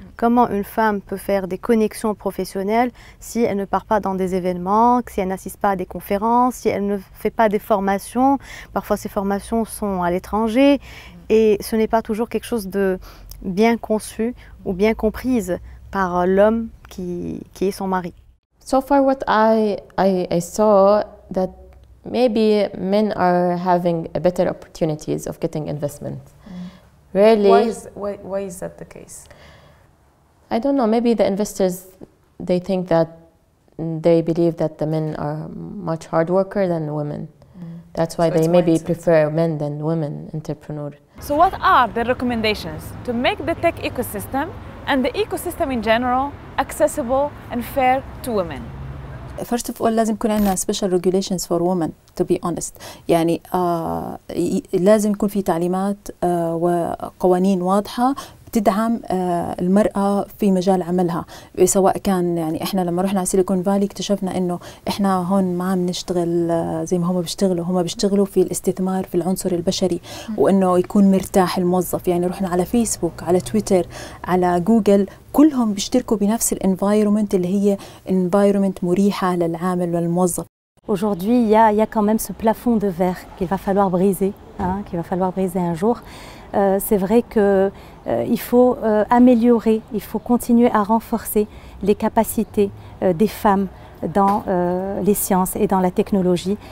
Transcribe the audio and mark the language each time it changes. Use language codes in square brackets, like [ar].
[fr] Comment une femme peut faire des connexions professionnelles si elle ne part pas dans des événements, si elle n'assiste pas à des conférences, si elle ne fait pas des formations. Parfois ces formations sont à l'étranger. Et ce n'est pas toujours quelque chose de bien conçu ou bien comprise par l'homme qui est son mari. [en] So far, what I saw that maybe men are having a better opportunities of getting investment. Really, why is that the case? I don't know. Maybe the investors, they think that they believe that the men are much hard worker than women. That's why they maybe prefer men than women entrepreneur. So what are the recommendations to make the tech ecosystem and the ecosystem in general accessible and fair to women? First of all, [ar] لازم يكون عندنا [en] special regulations for women, to be honest. [ar] يعني لازم يكون في تعليمات وقوانين واضحة تدعم المرأة في مجال عملها, سواء كان يعني إحنا لما رحنا على سيليكون فالي اكتشفنا إنه إحنا هون ما عم نشتغل زي ما هم بيشتغلوا في الاستثمار في العنصر البشري, وإنه يكون مرتاح الموظف. يعني رحنا على فيسبوك, على تويتر, على جوجل, كلهم بيشتركوا بنفس الانفايرومنت اللي هي انفايرومنت مريحة للعامل والموظف. [fr] Aujourd'hui, il y a quand même ce plafond de verre qu'il va falloir briser, hein, qu'il va falloir briser un jour. C'est vrai qu'il faut améliorer, il faut continuer à renforcer les capacités des femmes dans les sciences et dans la technologie.